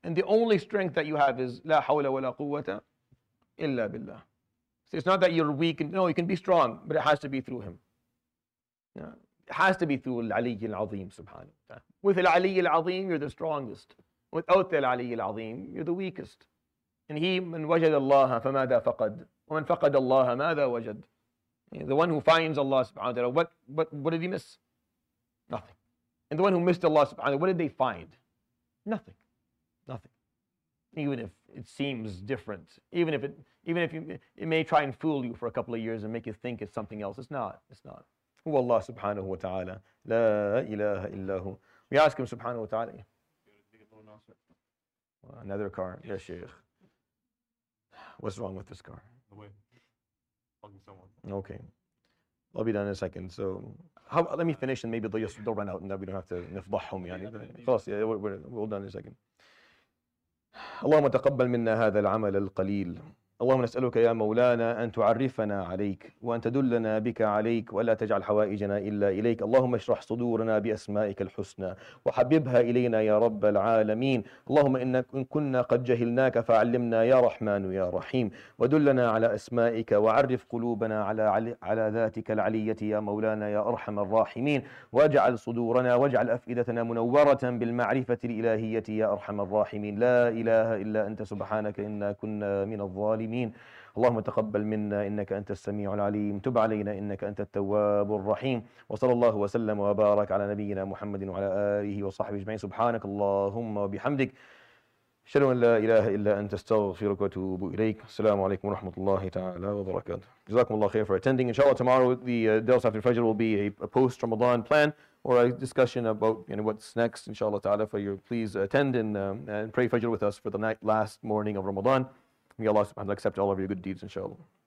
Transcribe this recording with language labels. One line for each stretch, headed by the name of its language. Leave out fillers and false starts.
English: And the only strength that you have is La hawla wa la quwwata illa billah. So it's not that you're weak. No, you can be strong, but it has to be through Him. Yeah. It has to be through Al-Aliyy Al-Azim, subhanahu wa ta'ala. With Al-Aliyy Al-Azim, you're the strongest. Without Al-Aliyy Al-Azim, you're the weakest. And he,
Arabic: من وجد الله فماذا فقد ومن فقد الله ماذا وجد.
English: The one who finds Allah, subhanahu wa ta'ala, what did he miss? Nothing. And the one who missed Allah subhanahu wa ta'ala, what did they find? Nothing. Nothing. Even if it seems different. Even if it may try and fool you for a couple of years and make you think it's something else. It's not. Who Allah subhanahu wa ta'ala. La ilaha illahu. We ask Him subhanahu wa ta'ala. Well, another car. Yes, Sheikh. What's wrong with this car? The way. Fucking someone. Okay. I'll be done in a second. So, how, let me finish and maybe they'll run out and then we don't have to nifdahhum. We're all done in a second. Allahumma taqabbal minna hadha al-amal al-qaleel.
Arabic: اللهم نسألك يا مولانا أن تعرفنا عليك وأن تدلنا بك عليك ولا تجعل حوائجنا إلا إليك. اللهم اشرح صدورنا بأسمائك الحسنى وحببها إلينا يا رب العالمين. اللهم إنك إن كنا قد جهلناك فعلمنا يا رحمن يا رحيم، ودلنا على أسمائك وعرف قلوبنا على ذاتك العلية يا مولانا يا أرحم الراحمين، واجعل صدورنا واجعل أفئدتنا منورة بالمعرفة الإلهية يا أرحم الراحمين. لا إله إلا أنت سبحانك إنا كنا من الظالمين. اللهم تقبل منا إنك أنت السميع العليم، تب علينا إنك أنت التواب الرحيم، وصلى الله وسلم وبارك على نبينا محمد وعلى آله وصحبه أجمعين. سبحانك اللهم وبحمدك، أشهد أن لا إله إلا أنت، استغفرك وأتوب إليك. السلام عليكم ورحمة الله تعالى وبركاته. جزاكم الله خير
English: for attending. Inshallah tomorrow the Dars after Fajr will be a post Ramadan plan or a discussion about what's next. Inshallah ta'ala, for you please attend and pray Fajr with us for the night last morning of Ramadan. May Allah subhanahu wa ta'ala accept all of your good deeds, inshallah.